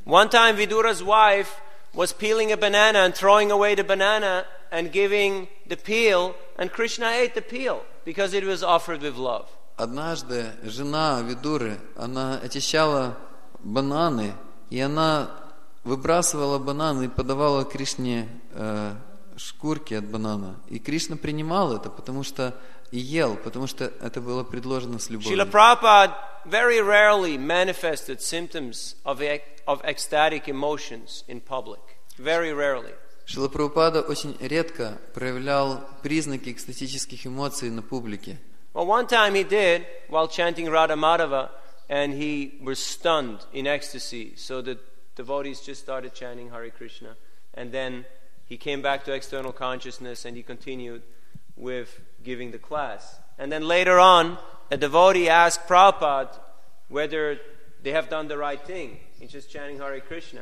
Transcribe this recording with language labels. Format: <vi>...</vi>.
<en>One time Vidura's wife was peeling a banana and throwing away the banana and giving the peel, and Krishna ate the peel because it was offered with love.</en> <ru>Однажды жена Видуры, она очищала бананы, и она выбрасывала бананы и подавала Кришне шкурки от банана. И Кришна принимал это, потому что и ел, потому что это было предложено с любовью.</ru> <en>Шрила Прабхупада very rarely manifested symptoms of ecstatic emotions in public. Very rarely.</en> <ru>Шрила Прабхупада очень редко проявлял признаки экстатических эмоций на публике.</ru> <en>Well, one time he did while chanting Radha Madhava, and he was stunned in ecstasy, so the devotees just started chanting Hare Krishna, and then he came back to external consciousness and he continued with giving the class. And then later on, a devotee asked Prabhupada whether they have done the right thing in just chanting Hare Krishna.</en>